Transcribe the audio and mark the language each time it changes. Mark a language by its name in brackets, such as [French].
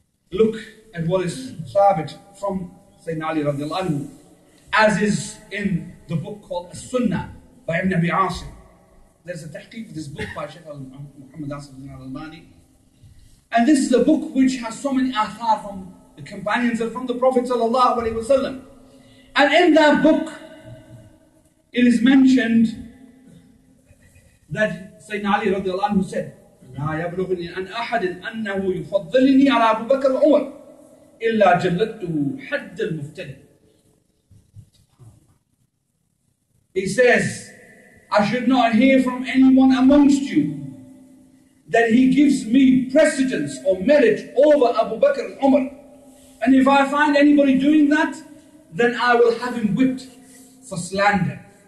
[English] Look at what is sabit from Sayyidina Ali radiallahu anhu, as is in the book called As-Sunnah by Ibn Abi Asim. There's a tahqeeq of this book by Shaykh Muhammad Asim ibn al-Albani. And this is a book which has so many athar from the companions and from the Prophet sallallahu alayhi wa sallam. And in that book, it is mentioned that Sayyidina Ali radiallahu anhu said, [Arabic] لا يبلغني أن أحد أنه يفضلني على أبو بكر عمر إلا جلدته حد المفتن. [English] He says, I should not hear from anyone amongst you that he gives me precedence or merit over Abu Bakr and Umar. And if I find anybody doing that, then I will have him whipped for slander.